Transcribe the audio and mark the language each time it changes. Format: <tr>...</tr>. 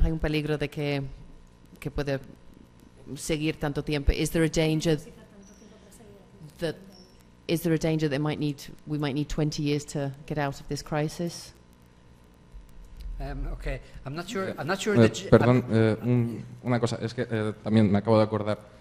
<es>Hay un peligro de que puede seguir tanto tiempo.</es> <en>Is there a danger that we might need 20 years to get out of this crisis? Okay, I'm not sure. I'm not sure.</en> <es>Perdón, una cosa es que también me acabo de acordar.</es>